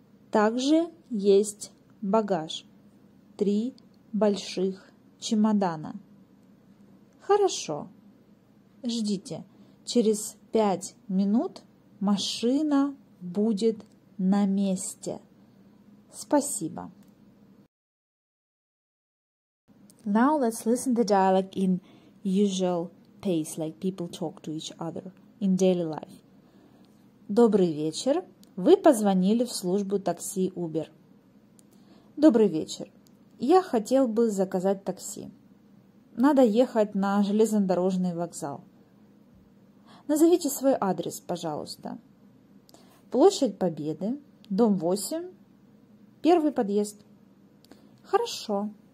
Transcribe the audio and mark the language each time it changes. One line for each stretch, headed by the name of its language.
Russian: Также есть багаж. 3 больших чемодана. Хорошо. Ждите. Через 5 минут машина будет на месте. Спасибо.
English: Now let's listen to the dialogue in usual pace, like people talk to each other in daily life.
Russian: Добрый вечер. Вы позвонили в службу такси Uber. Добрый вечер. Я хотел бы заказать такси. Надо ехать на железнодорожный вокзал. Назовите свой адрес, пожалуйста. Площадь Победы, дом 8, первый подъезд. Хорошо.